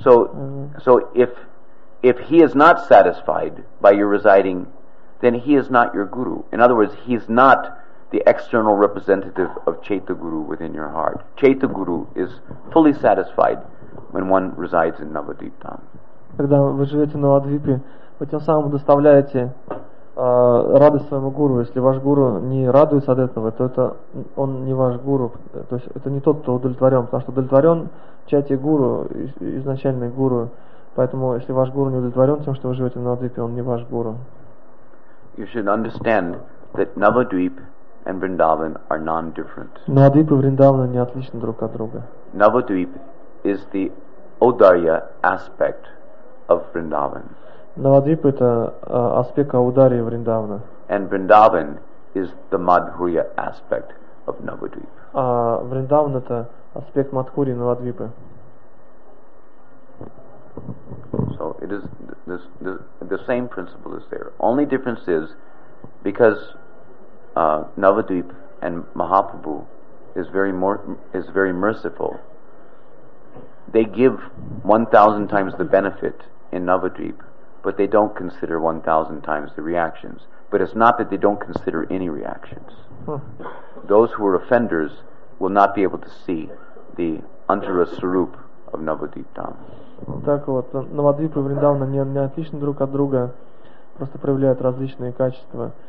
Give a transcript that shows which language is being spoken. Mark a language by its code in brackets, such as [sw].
[en] So if he is not satisfied by your residing, then he is not your guru. In other words, he is not the external representative of Chaita Guru within your heart. Chaita Guru is fully satisfied when one resides in Navadvip Dham. [ru] Когда вы живете на Навадвипе, вы тем самым доставляете радость своему гуру. Если ваш гуру не радуется от этого, то это он не ваш гуру. То есть это не тот, кто удовлетворен, потому что удовлетворен чати гуру, изначальный гуру. Поэтому если ваш гуру не удовлетворен тем, что вы живете на Навадвипе, он не ваш гуру. [en] You should understand that Navadvip and Vrindavan are non-different. [ru] Навадвип и Вриндаван не отличны друг от друга. [en] Navadvip is the Audarya aspect of Vrindavan. [ru] Навадвип это аспект Аударии Вриндавана. [en] And Vrindavan is the Madhurya aspect of Navadvip. [ru] А Вриндаван это аспект Мадхури Навадвипы. [en] So it is the same principle is there. Only difference is because Navadvip and Mahaprabhu is very merciful. They give 1,000 times the benefit in Navadvip, but they don't consider 1,000 times the reactions. But it's not that they don't consider any reactions. Those who are offenders will not be able to see the antara sarup of Navadvip Dham. [ru] Так вот, Навадвип и Вриндаван не отличны друг от друга, просто проявляют различные качества.